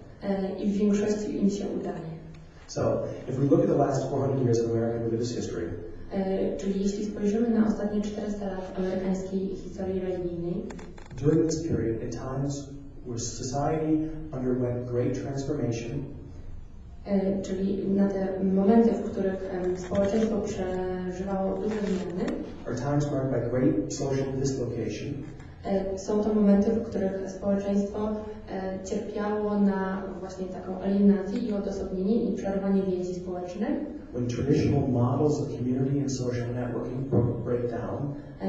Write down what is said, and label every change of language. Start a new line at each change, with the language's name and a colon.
Polish: I w większości im się udaje.
English: So, if we look at the last 400 years of American religious history,
Polish: czyli jeśli spojrzymy na ostatnie 400 lat amerykańskiej historii religijnej,
English: during this period, at times where society underwent great transformation,
Polish: czyli na te momenty, w których społeczeństwo przeżywało duże zmiany,
English: or times marked by great social dislocation,
Polish: są to momenty, w których społeczeństwo cierpiało na właśnie taką alienację i odosobnienie i przerwanie więzi społecznych.
English: When traditional models of community and social networking break down,